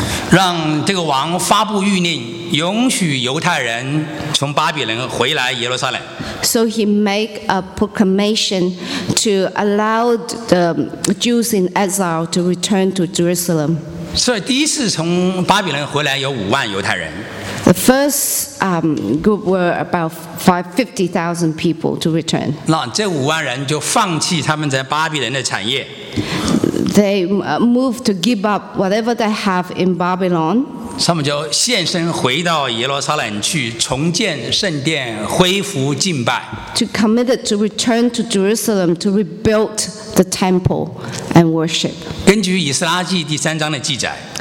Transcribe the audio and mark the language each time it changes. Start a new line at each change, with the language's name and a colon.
Chinese: 让这个王发布谕令，允许犹太人从巴比伦回来耶路撒冷。
English: So he made a proclamation to allow the Jews in exile to return to Jerusalem。
Chinese: 所以第一次从巴比伦回来有50,000犹太人。
English: The first group were about 50,000 people to return。
Chinese: 那这50,000人就放弃他们在巴比伦的产业。
English: They moved to give up whatever they have in Babylon。
Chinese: 他们就献身回到耶路撒冷去重建圣殿，恢复敬拜。
English: To commit to return to Jerusalem to rebuild the temple and worship。
Chinese: 根据以斯拉记第三章的记载。